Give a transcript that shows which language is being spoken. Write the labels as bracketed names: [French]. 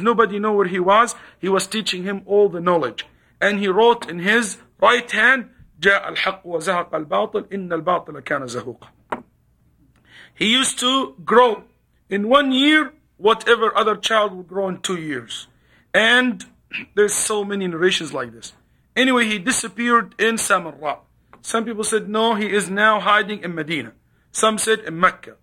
[English] Nobody knew where he was. He was teaching him all the knowledge. And he wrote in his right hand, [Arabic] جَاءَ الْحَقُّ وَزَهَقَ الْبَاطِلِ إِنَّ الْبَاطِلَ كَانَ زَهُوقًا. [English] He used to grow in 1 year whatever other child would grow in 2 years. And there's so many narrations like this. Anyway, he disappeared in Samarra. Some people said, no, he is now hiding in Medina. Some said in Mecca.